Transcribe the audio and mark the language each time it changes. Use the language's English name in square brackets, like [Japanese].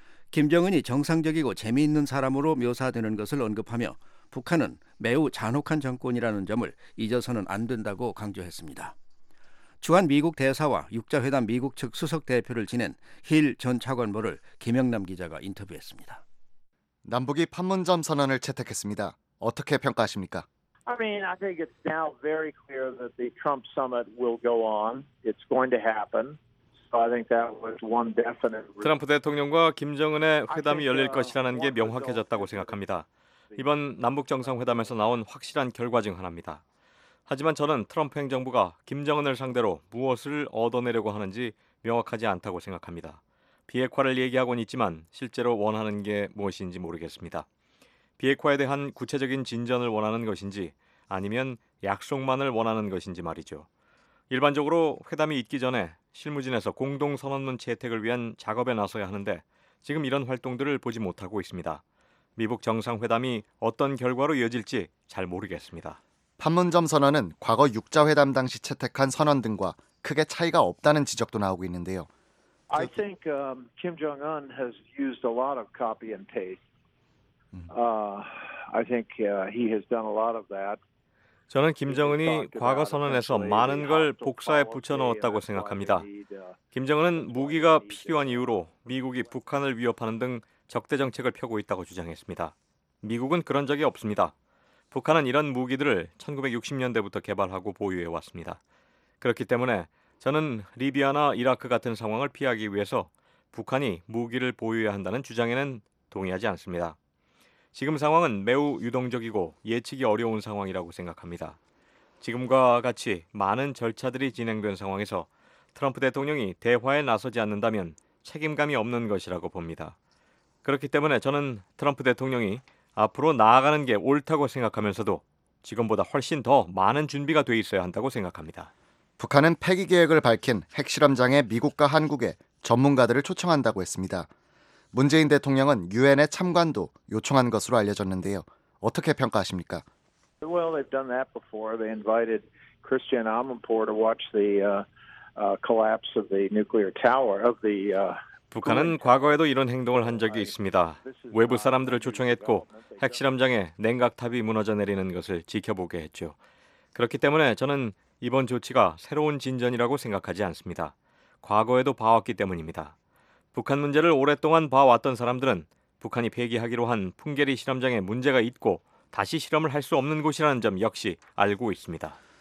[Korean] 김정은이 정상적이고 재미있는 사람으로 묘사되는 것을 언급하며 북한은 매우 잔혹한 정권이라는 점을 잊어서는 안 된다고 강조했습니다. 주한 미국 대사와 육자회담 미국 측 수석 대표를 지낸 힐 전 차관보를 김영남 기자가 인터뷰했습니다. 남북이 판문점 선언을 채택했습니다. 어떻게 평가하십니까? [English] I mean, I think it's now very clear that the Trump summit will go on. It's going to happen. So I think that was one definite. [Korean] 트럼프 대통령과 김정은의 회담이 열릴 것이라는 게 명확해졌다고 생각합니다. 이번 남북 정상회담에서 나온 확실한 결과 중 하나입니다. 하지만 저는 트럼프 행정부가 김정은을 상대로 무엇을 얻어내려고 하는지 명확하지 않다고 생각합니다. 비핵화를 얘기하곤 있지만 실제로 원하는 게 무엇인지 모르겠습니다. 비핵화에 대한 구체적인 진전을 원하는 것인지 아니면 약속만을 원하는 것인지 말이죠. 일반적으로 회담이 있기 전에 실무진에서 공동선언문 채택을 위한 작업에 나서야 하는데 지금 이런 활동들을 보지 못하고 있습니다. 미북 정상회담이 어떤 결과로 이어질지 잘 모르겠습니다. 판문점 선언은 과거 6자회담 당시 채택한 선언 등과 크게 차이가 없다는 지적도 나오고 있는데요. [English] I think Kim Jong-un has used a lot of copy and paste. I think he has done a lot of that. [Korean] 저는 김정은이 과거 선언에서 많은 걸 복사에 붙여넣었다고 생각합니다. 김정은은 무기가 필요한 이유로 미국이 북한을 위협하는 등 적대 정책을 펴고 있다고 주장했습니다. 미국은 그런 적이 없습니다. 북한은 이런 무기들을 1960년대부터 개발하고 보유해왔습니다. 그렇기 때문에 저는 리비아나 이라크 같은 상황을 피하기 위해서 북한이 무기를 보유해야 한다는 주장에는 동의하지 않습니다. 지금 상황은 매우 유동적이고 예측이 어려운 상황이라고 생각합니다. 지금과 같이 많은 절차들이 진행된 상황에서 트럼프 대통령이 대화에 나서지 않는다면 책임감이 없는 것이라고 봅니다. 그렇기 때문에 저는 트럼프 대통령이 앞으로 나아가는 게 옳다고 생각하면서도 지금보다 훨씬 더 많은 준비가 돼 있어야 한다고 생각합니다. 북한은 폐기 계획을 밝힌 핵실험장에 미국과 한국의 전문가들을 초청한다고 했습니다. 문재인 대통령은 유엔의 참관도 요청한 것으로 알려졌는데요. 어떻게 평가하십니까? [English] Well, they've done that before. They invited Christian Amanpour to watch the collapse of the nuclear tower of the [Korean] 북한은 과거에도 이런 행동을 한 적이 있습니다. 외부 사람들을 초청했고 핵실험장에 냉각탑이 무너져 내리는 것을 지켜보게 했죠. 그렇기 때문에 저는 이번 조치가 새로운 진전이라고 생각하지 않습니다. 과거에도 봐왔기 때문입니다. 북한 문제를 오랫동안 봐왔던 사람들은 북한이 폐기하기로 한 풍계리 실험장에 문제가 있고 다시 실험을 할 수 없는 곳이라는 점 역시 알고 있습니다.